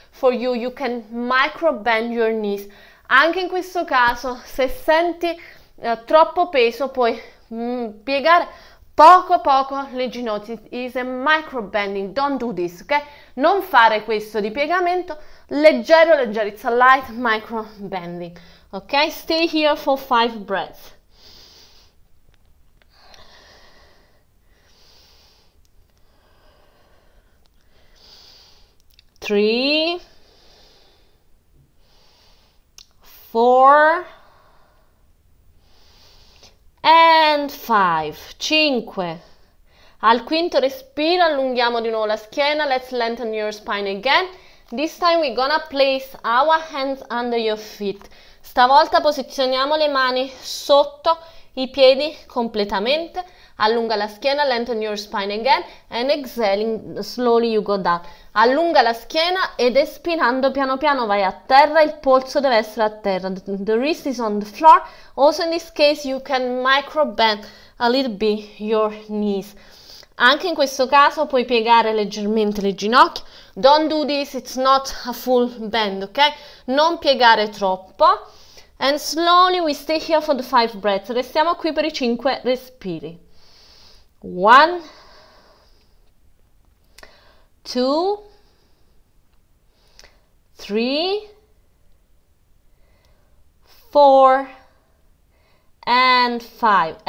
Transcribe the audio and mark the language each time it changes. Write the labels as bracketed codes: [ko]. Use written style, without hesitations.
[en] for you, you can micro bend your knees. [it] Anche in questo caso, se senti troppo peso, puoi piegare poco poco le ginocchia. [en] It's a micro bending, don't do this, ok? [it] Non fare questo di piegamento, leggero leggero, [en] it's a light micro bending, ok? Stay here for 5 breaths. Three, four, and five. [it] Cinque. Al quinto respiro allunghiamo di nuovo la schiena. [en] Let's lengthen your spine again. This time we're gonna place our hands under your feet. [it] Stavolta posizioniamo le mani sotto i piedi completamente. Allunga la schiena, [en] lengthen your spine again, and exhaling, slowly you go down. [it] Allunga la schiena ed espirando piano piano vai a terra, il polso deve essere a terra. [en] The wrist is on the floor. Also in this case you can micro bend a little bit your knees. [it] Anche in questo caso puoi piegare leggermente le ginocchia. [en] Don't do this, it's not a full bend, ok? [it] Non piegare troppo. [en] And slowly we stay here for the 5 breaths. [it] Restiamo qui per i 5 respiri. [en] One, two, three, four, and five.